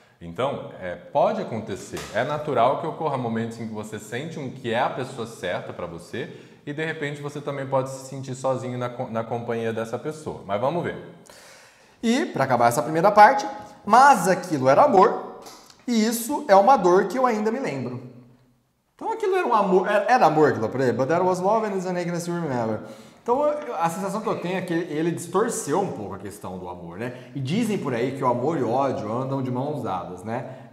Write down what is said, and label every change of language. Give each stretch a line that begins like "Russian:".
Portuguese: Então, pode acontecer, é natural que ocorra momentos em que você sente que é a pessoa certa para você e de repente você também pode se sentir sozinho na companhia dessa pessoa. Mas vamos ver. E, para acabar essa primeira parte, mas aquilo era amor e isso é uma dor que eu ainda me lembro. Então aquilo era um amor, era amor aquilo pra ele,
English: but there was love and it's an agony to remember.
Portuguese: Então, a sensação que eu tenho é que ele distorceu um pouco a questão do amor, né? E dizem por aí que o amor e o ódio andam de mãos dadas, né?